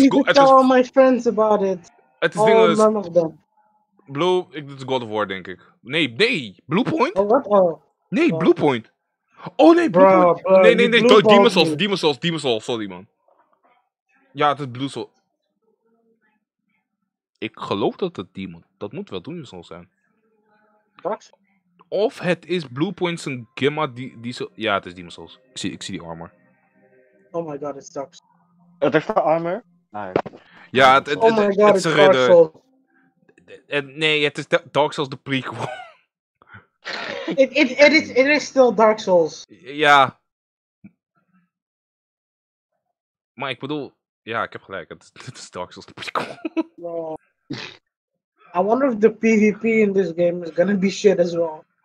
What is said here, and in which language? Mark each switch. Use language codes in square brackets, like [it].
[en] I need to tell all my friends about it. [nl] Het is dingen. Blue, ik doe het God of War, denk ik. Nee, Bluepoint? Oh, nee, Bluepoint. Oh nee, Bluepoint. Nee, Demon's Souls, [en] sorry man. [nl] Ja, het is Blue Souls. Ik geloof dat het Demon... Dat moet wel Demon's Souls zijn. Wat? Of het is Bluepoint zijn gimma die zo... Ja, het is Demon's Souls. Ik zie die armor. [en] Oh my god, it sucks. [nl] Het heeft de armor? Nee. Ja, het [en] oh my god, it's ridder. [nl] Nee, het is Dark Souls de prequel. [en] It is still Dark Souls. [nl] Ja. Maar ik bedoel... Ja, ik heb gelijk. Het is Dark Souls de prequel. [en] No. I wonder if the PvP in this game is gonna be shit as well.